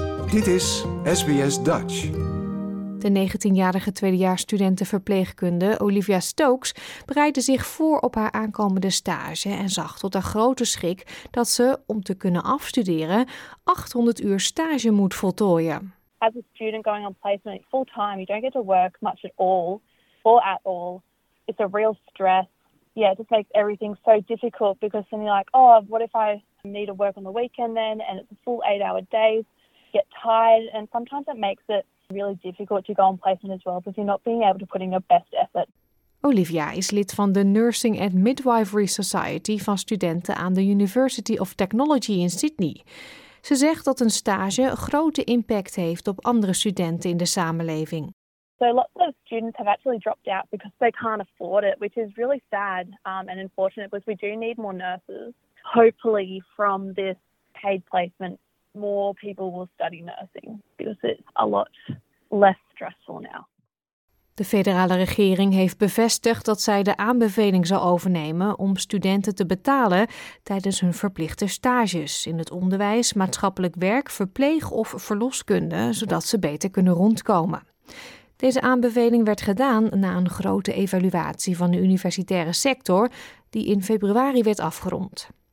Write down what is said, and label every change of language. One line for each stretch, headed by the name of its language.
Dutch: Dit is SBS Dutch. De 19-jarige tweedejaarsstudente verpleegkunde Olivia Stokes bereidde zich voor op haar aankomende stage en zag tot haar grote schrik dat ze, om te kunnen afstuderen, 800 uur stage moet voltooien.
English: As a student going on placement full time, you don't get to work much at all, or at all. It's a real stress. Yeah, it just makes everything so difficult because then you're like, oh, what if I need to work on the weekend then? And it's a full 8-hour day. You get tired, and sometimes it makes it really difficult to go on placement as well because you're not being able to put in your best effort.
Dutch: Olivia is lid van de Nursing and Midwifery Society van studenten aan de University of Technology in Sydney. Ze zegt dat een stage grote impact heeft op andere studenten in de samenleving.
English: So lots of students have actually dropped out because they can't afford it, which is really sad and unfortunate because we do need more nurses. Hopefully from this paid placement, more people will study nursing because it's a lot less stressful now.
Dutch: De federale regering heeft bevestigd dat zij de aanbeveling zal overnemen om studenten te betalen tijdens hun verplichte stages in het onderwijs, maatschappelijk werk, verpleeg of verloskunde, zodat ze beter kunnen rondkomen. Deze aanbeveling werd gedaan na een grote evaluatie van de universitaire sector die in februari werd afgerond.